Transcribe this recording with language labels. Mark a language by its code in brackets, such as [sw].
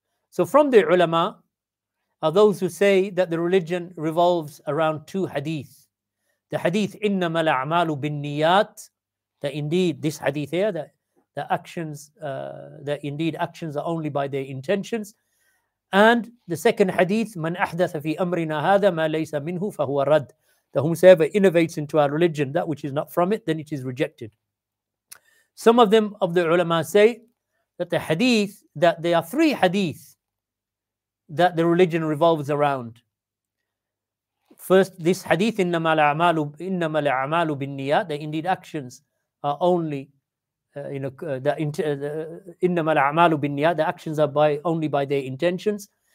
[en] So from the ulama are those who say that the religion revolves around two hadith. The hadith, [ar] innama al-a'malu bin-niyat, [en] that indeed this hadith here, that actions are only by their intentions. And the second hadith, [ar] مَنْ أَحْدَثَ فِي أَمْرِنَا هَذَا مَا لَيْسَ مِنْهُ فَهُوَ رَدْ. [en] That whomsoever innovates into our religion that which is not from it, then it is rejected. Some of them, of the ulama, say that the hadith, that there are three hadith that the religion revolves around. First, this hadith, [ar] إِنَّمَا الْأَعْمَالُ بِالنِّيَّاتِ, [en] that indeed actions are only [ar] innama al-a'malu bin-niyat, [en] the actions are only by their intentions.